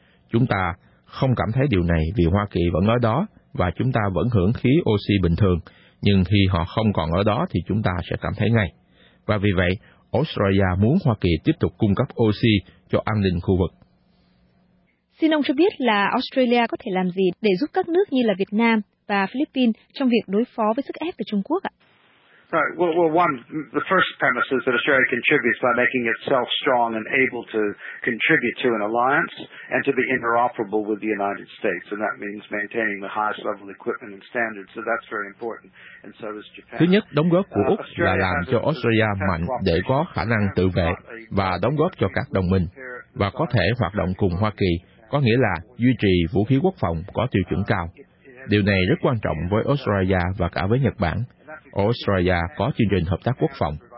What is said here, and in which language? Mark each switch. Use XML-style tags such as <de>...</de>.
<vi>Chúng ta không cảm thấy điều này vì Hoa Kỳ vẫn ở đó và chúng ta vẫn hưởng khí oxy bình thường, nhưng khi họ không còn ở đó thì chúng ta sẽ cảm thấy ngay. Và vì vậy, Australia muốn Hoa Kỳ tiếp tục cung cấp oxy cho an ninh khu vực. Xin ông cho biết là Australia có thể làm gì để giúp các nước như là Việt Nam và Philippines trong việc đối phó với sức ép từ Trung Quốc ạ?</vi> <en>Well, one, the first premise is that Australia contributes by making itself strong and able to contribute to an alliance and to be interoperable with the United States, and that means maintaining the highest level equipment and standards, so that's very important, and so does Japan.</en> <vi>Thứ nhất, đóng góp của Úc là làm cho Australia mạnh để có khả năng tự vệ và đóng góp cho các đồng minh, và có thể hoạt động cùng Hoa Kỳ, có nghĩa là duy trì vũ khí quốc phòng có tiêu chuẩn cao. Điều này rất quan trọng với Australia và cả với Nhật Bản. Australia có chương trình hợp tác quốc phòng.</vi>